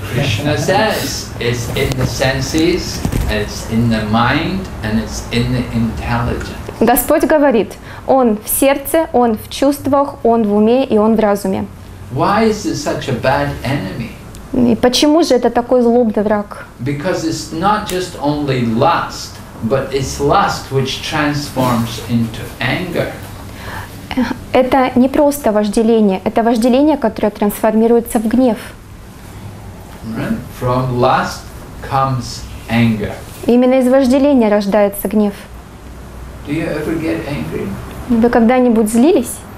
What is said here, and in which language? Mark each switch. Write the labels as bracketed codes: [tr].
[en] Krishna says it's in the senses, it's in the mind, and it's in the intelligence. [ru] Господь говорит, он в сердце, он в чувствах, он в уме и он в разуме. [en] Why is it such a bad enemy? [ru] И почему же это такой злобный враг? [en] Because it's not just only lust, but it's lust which transforms into anger. [ru] Это не просто вожделение, это вожделение, которое трансформируется в гнев. [en] Right? From lust comes anger. [ru] Именно из вожделения рождается гнев. [en] Do you ever get angry? [ru] Вы когда-нибудь злились?